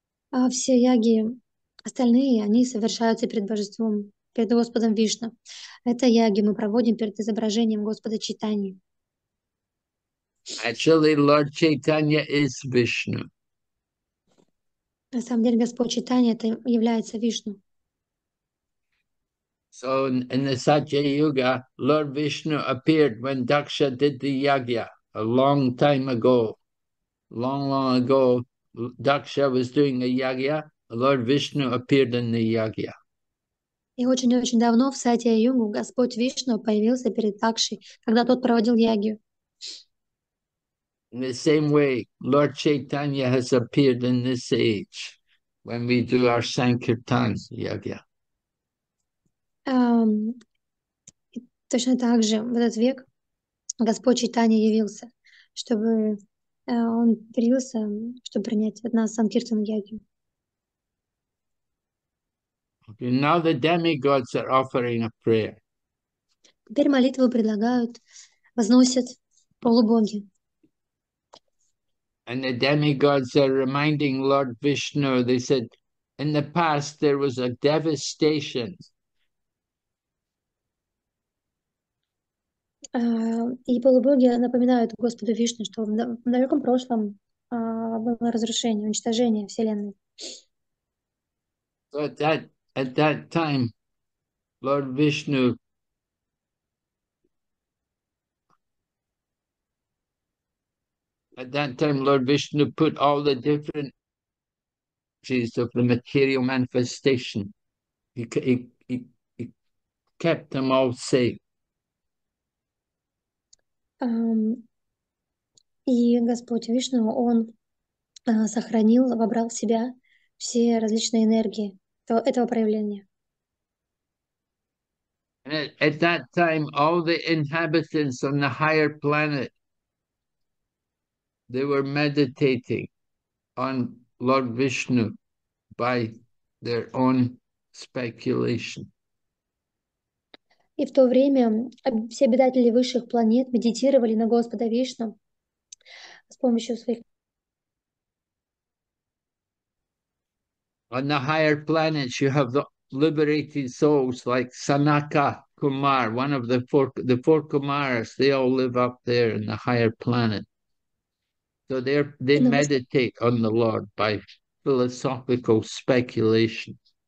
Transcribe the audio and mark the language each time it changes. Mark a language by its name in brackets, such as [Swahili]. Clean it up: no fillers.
[Russian] А все яги остальные, они совершаются перед божеством, перед Господом Вишну. Это яги мы проводим перед изображением Господа Чайтани. [English] Actually, Lord Chaitanya is Vishnu. [Russian] На самом деле, Господь Читания это является Вишну. [English] So in the Satya Yuga, Lord Vishnu appeared when Daksha did the Yagya a long time ago. Long, long ago, Daksha was doing the Yagya. Lord Vishnu appeared in the Yagya. [Russian] И очень-очень давно в Сатья-югу Господь Вишну появился перед Такшей, когда тот проводил ягью. [English] In the same way, Lord Chaitanya has appeared in this age when we do our Sankirtan Yagya. [Russian] Точно так же в этот век Господь Чайтанья явился, чтобы он явился, чтобы принять от нас Санкиртан-яги. [English] Okay, now the demigods are offering a prayer. [Russian] Теперь молитву предлагают, возносят полубоги. [English] And the demigods are reminding Lord Vishnu, they said, in the past there was a devastation. [Russian] И полубоги напоминают Господу Вишну, что в далеком прошлом было разрушение, уничтожение Вселенной. [English] So at that time, Lord Vishnu At that time, Lord Vishnu put all the different energies of the material manifestation. He kept them all safe. [Russian] И Господь Вишну, Он сохранил, вобрал в себя все различные энергии этого проявления. [English] And at that time, all the inhabitants on the higher planet. They were meditating on Lord Vishnu by their own speculation. [Russian] И в то время все обитатели высших планет медитировали на Господа Вишну с помощью своих. [English] On the higher planets, you have the liberated souls like Sanaka Kumar, one of the four Kumaras. They all live up there in the higher planet. So they meditate on the Lord by philosophical speculation.